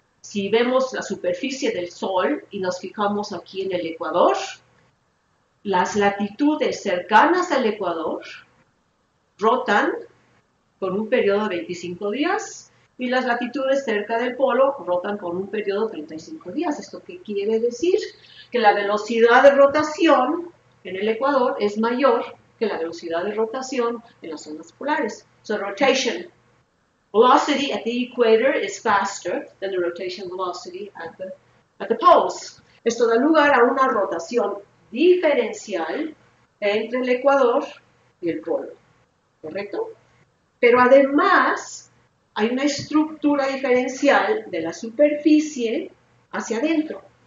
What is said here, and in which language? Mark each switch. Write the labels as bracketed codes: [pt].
[es] Si vemos la superficie del Sol y nos fijamos aquí en el Ecuador, las latitudes cercanas al Ecuador rotan con un periodo de 25 días y las latitudes cerca del polo rotan con un periodo de 35 días. ¿Esto qué quiere decir? Que la velocidad de rotación en el Ecuador es mayor que la velocidad de rotación en las zonas polares. [en] So, rotation velocity at the equator is faster than the rotation velocity at the poles. [es] Esto da lugar a una rotación diferencial entre el Ecuador y el polo. ¿Correcto? Pero además hay una estructura diferencial de la superficie hacia adentro.